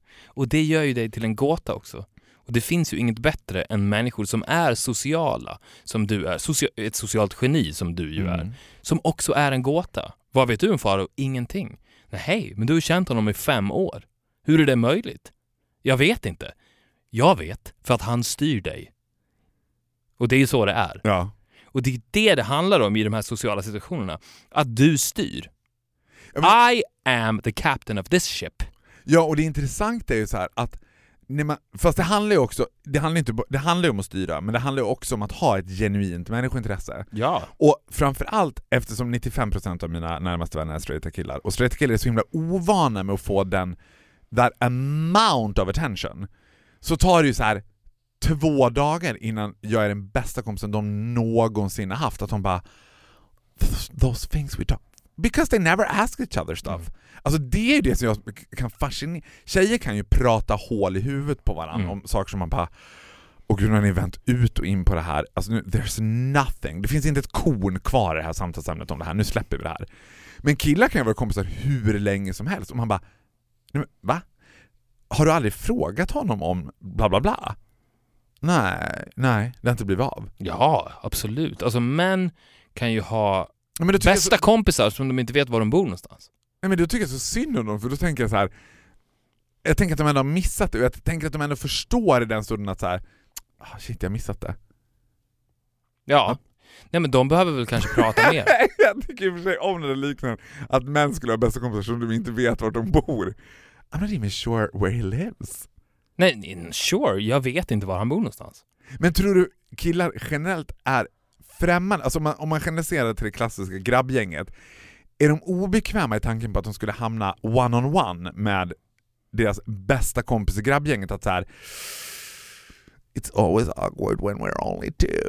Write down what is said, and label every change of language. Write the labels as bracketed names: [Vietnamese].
[Swedish] Och det gör ju dig till en gåta också. Och det finns ju inget bättre än människor som är sociala, som du är, ett socialt geni som du ju är, som också är en gåta. Vad vet du om Faro? Ingenting. Nej, hej, men du har känt honom i 5 år. Hur är det möjligt? Jag vet inte. Jag vet, för att han styr dig. Och det är ju så det är. Ja. Och det är det handlar om i de här sociala situationerna. Att du styr. [English] I am the captain of this ship. [Swedish] Ja, och det intressanta är ju så här att fast det handlar ju också, det handlar ju om att styra, men det handlar ju också om att ha ett genuint människointresse. Ja. Och framförallt eftersom 95% av mina närmaste vänner är straighta killar. Och straighta killar är så himla ovana med att få den [English] that amount of attention. [Swedish] Så tar det ju så här 2 dagar innan jag är den bästa kompisen de någonsin har haft. Att de bara, [English] those things we talk. Because they never ask each other stuff. [Swedish] Alltså det är ju det som jag kan fascinera. Tjejer kan ju prata hål i huvudet på varandra om saker som man bara, och gud, har ni vänt ut och in på det här? Alltså nu, [English] there's nothing. [Swedish] Det finns inte ett korn kvar i det här samtalsämnet om det här. Nu släpper vi det här. Men killar kan ju vara kompisar hur länge som helst. Och man bara, nej, men, va? Har du aldrig frågat honom om bla bla bla? Nej, det har inte blivit av. Ja, absolut. Alltså män kan ju ha bästa kompisar som de inte vet var de bor någonstans. Nej, men då tycker jag så synd om dem, för då tänker jag så här, jag tänker att de ändå har missat det, och jag tänker att de ändå förstår i den stunden att så här, [English] oh shit, [Swedish] jag har missat det. Ja. Nej, men de behöver väl kanske prata mer. Jag tycker i och för sig om det liknande att män skulle ha bästa kompisar som de inte vet var de bor. [English] I'm not even sure where he lives. [Swedish] Nej, sure, jag vet inte var han bor någonstans. Men tror du killar generellt är främmande, alltså om man generaliserar till det klassiska grabbgänget, är de obekväma i tanken på att de skulle hamna one on one med deras bästa kompis i grabbgänget, att så här, [English] it's always awkward when we're only two.